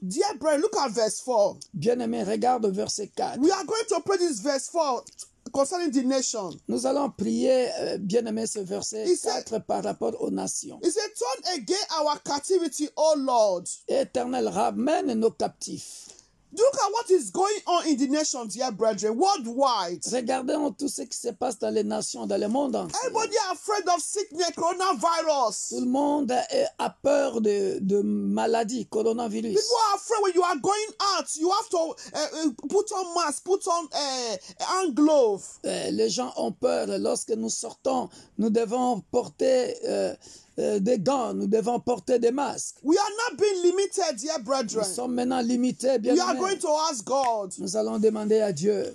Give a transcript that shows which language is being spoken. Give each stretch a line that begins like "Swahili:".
English: Dear brethren, look at verse 4.
French: Bien-aimé, regarde verset 4.
English: We are going to pray this verse 4. Concerning the nation.
French: Nous allons prier, bien-aimé, ce verset 4 par rapport aux nations.
English: He said, turn again our captivity, O Lord.
French: Éternel, ramène nos captifs.
English: Look at what is going on in the nations, dear brethren, worldwide.
French: Regardez tout ce qui se passe dans les nations, dans le monde entier.
English: Everybody is afraid of sickness, coronavirus.
French: Tout le monde a peur de maladies, coronavirus.
English: People are afraid when you are going out, you have to put on mask, put on hand glove.
French: Les gens ont peur lorsque nous sortons, nous devons porter des gants, nous devons porter des masques.
English: We are not being limited, dear brethren.
French: Nous sommes maintenant limités, bien-aimés.
English: We are going to ask God.
French: Nous allons demander à Dieu.